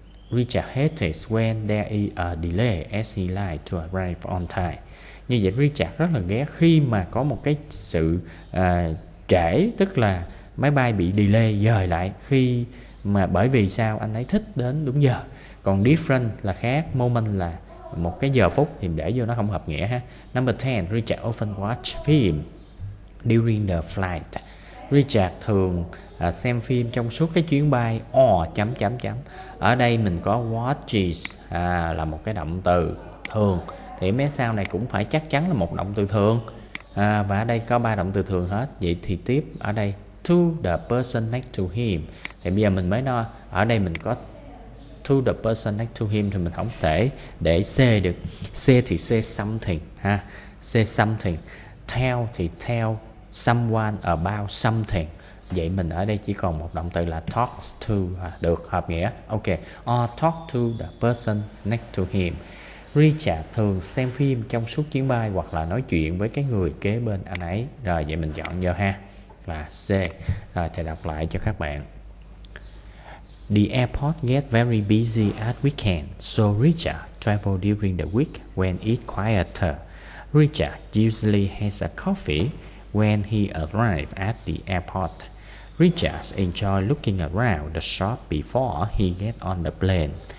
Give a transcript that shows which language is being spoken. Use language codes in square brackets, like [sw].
[en] Richard hates when there is a delay as he likes to arrive on time. [vi] Như vậy Richard rất là ghét khi mà có một cái sự trễ, tức là máy bay bị delay dời lại khi mà, bởi vì sao? Anh ấy thích đến đúng giờ. Còn different là khác, moment là một cái giờ phút, thì để vô nó không hợp nghĩa ha. [en] Number 10, Richard often watch film during the flight. [vi] Richard thường xem phim trong suốt cái chuyến bay. Or chấm chấm chấm. Ở đây mình có watches là một cái động từ thường. Thì mấy sau này cũng phải chắc chắn là một động từ thường. Và ở đây có ba động từ thường hết. Vậy thì tiếp ở đây [en] to the person next to him. [vi] Thì bây giờ mình mới nói ở đây mình có [en] to the person next to him, [vi] thì mình không thể để say được. [en] Say thì say something ha. Say something. Tell thì tell someone about something. [vi] Vậy mình ở đây chỉ còn một động từ là talks to được, hợp nghĩa. Ok. [en] Or talk to the person next to him. [vi] Richard thường xem phim trong suốt chuyến bay hoặc là nói chuyện với cái người kế bên anh ấy. Rồi vậy mình chọn vô ha, là C. Rồi thầy đọc lại cho các bạn. [en] The airport gets very busy at weekend, so Richard travels during the week when it's quieter. Richard usually has a coffee when he arrives at the airport. Richard enjoys looking around the shop before he gets on the plane.